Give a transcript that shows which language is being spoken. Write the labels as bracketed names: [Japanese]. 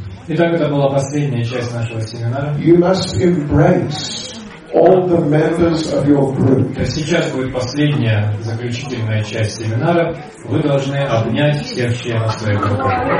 [Russian] Итак, это была последняя часть нашего семинара. [English] You must embrace all the members of your group. [Russian] Сейчас будет последняя заключительная часть семинара. Вы должны обнять всех членов своей группы.